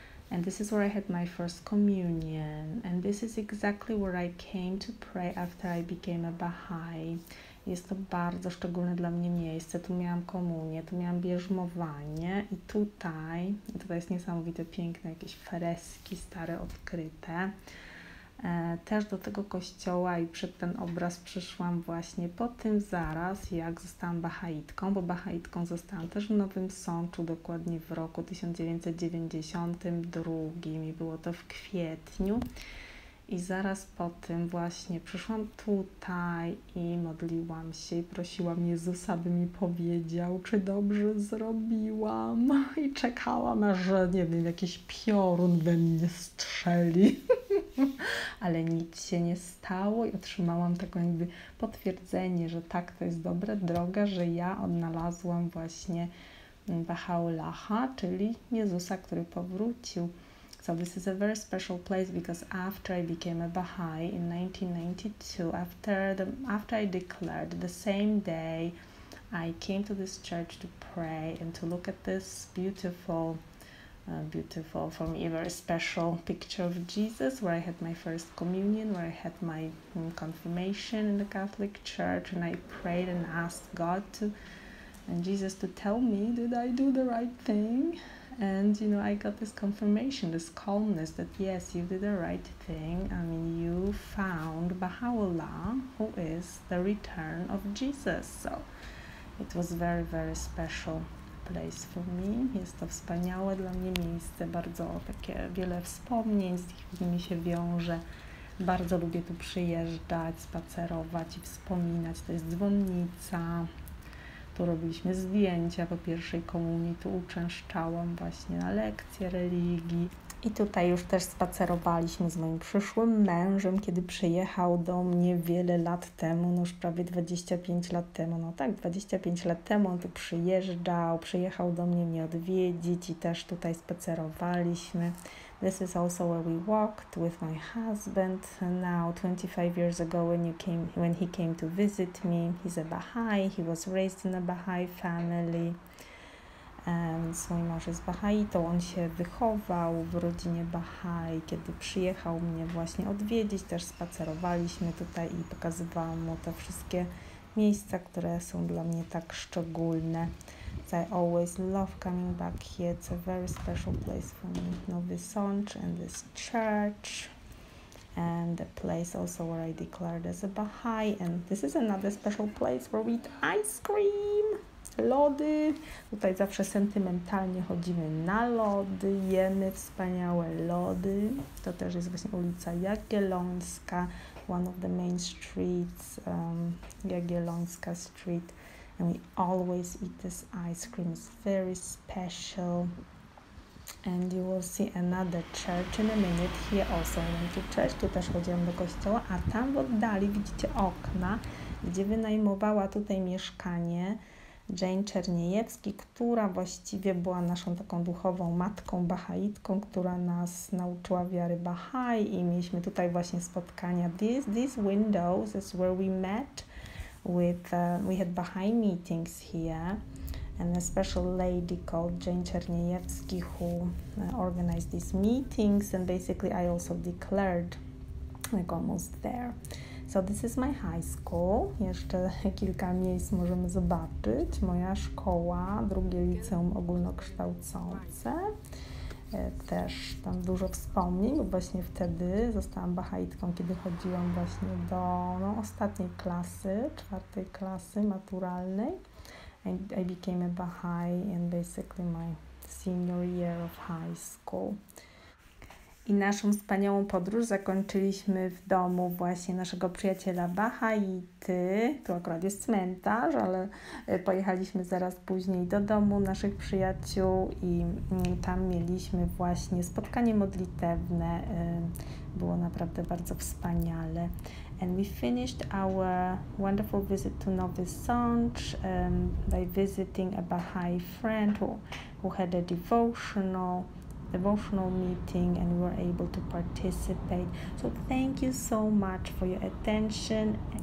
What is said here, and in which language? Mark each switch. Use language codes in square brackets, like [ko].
[en] And this is where I had my first communion. And this is exactly where I came to pray after I became a Baha'i. [pl] Jest to bardzo szczególne dla mnie miejsce. Tu miałam komunię, tu miałam bierzmowanie i tutaj, jest niesamowite, piękne jakieś freski stare odkryte. Też do tego kościoła i przed ten obraz przyszłam właśnie po tym zaraz, jak zostałam Baha'itką, bo Baha'itką zostałam też w Nowym Sączu, dokładnie w roku 1992 i było to w kwietniu. I zaraz po tym właśnie przyszłam tutaj i modliłam się i prosiłam Jezusa, by mi powiedział, czy dobrze zrobiłam. I czekałam, aż nie wiem, jakiś piorun we mnie strzeli. Ale nic się nie stało i otrzymałam taką jakby potwierdzenie, że tak, to jest dobra droga, że ja odnalazłam właśnie Baha'u'llaha, czyli Jezusa, który powrócił. [en] So this is a very special place because after I became a Baha'i in 1992, after I declared, the same day I came to this church to pray and to look at this beautiful for me, a very special picture of Jesus, where I had my first communion, where I had my confirmation in the Catholic Church, and I prayed and asked God to and Jesus to tell me, did I do the right thing? And you know, I got this confirmation, this calmness that yes, you did the right thing. I mean, you found Baha'u'llah, who is the return of Jesus. So it was very, very special place for me. [pl] Jest to wspaniałe dla mnie miejsce, bardzo takie wiele wspomnień z tych, mi się wiąże. Bardzo lubię tu przyjeżdżać, spacerować i wspominać. To jest dzwonnica. Tu robiliśmy zdjęcia po pierwszej komunii, tu uczęszczałam właśnie na lekcje religii. I tutaj już też spacerowaliśmy z moim przyszłym mężem, kiedy przyjechał do mnie wiele lat temu, no już prawie 25 lat temu. No tak, 25 lat temu on tu przyjeżdżał, przyjechał do mnie mnie odwiedzić i też tutaj spacerowaliśmy. [en] This is also where we walked with my husband now 25 years ago when he came to visit me. He's a Baha'i, he was raised in a Baha'i family. [pl] Więc mój mąż jest Bahaitą, on się wychował w rodzinie Bahai. Kiedy przyjechał mnie właśnie odwiedzić, też spacerowaliśmy tutaj i pokazywałam mu te wszystkie miejsca, które są dla mnie tak szczególne. [en] I always love coming back here. It's a very special place for me. Nowy Sącz and this church. And the place also where I declared as a Baha'i. And this is another special place where we eat ice cream. [pl] Lody. Tutaj zawsze sentymentalnie chodzimy na lody. Jemy wspaniałe lody. To też jest właśnie ulica Jagiellońska. [en] One of the main streets. Jagiellońska Street. And we always eat this ice cream. It's very special. And you will see another church in a minute. Here also I went to church. [pl] Tu też chodziłam do kościoła. A tam w oddali widzicie okna, gdzie wynajmowała tutaj mieszkanie Jane Czerniejewski, która właściwie była naszą taką duchową matką bahaitką, która nas nauczyła wiary Bahai. I mieliśmy tutaj właśnie spotkania. [en] These windows is where we met. We had Baha'i meetings here, and a special lady called Jane Czerniejewski who organized these meetings, and basically I also declared like almost there. So this is my high school. [pl] Jeszcze kilka miejsc możemy zobaczyć. Moja szkoła, drugie liceum ogólnokształcące. Też tam dużo wspomnień, bo właśnie wtedy zostałam bahaitką, kiedy chodziłam właśnie do ostatniej klasy, czwartej klasy maturalnej. [en] I became a Baha'i in basically my senior year of high school. [pl] I naszą wspaniałą podróż zakończyliśmy w domu właśnie naszego przyjaciela Bahaity. Tu akurat jest cmentarz, ale pojechaliśmy zaraz później do domu naszych przyjaciół i tam mieliśmy właśnie spotkanie modlitewne. Było naprawdę bardzo wspaniale. [en] And we finished our wonderful visit to Nowy Sącz by visiting a Baha'i friend who had a devotional meeting, and we were able to participate. So thank you so much for your attention.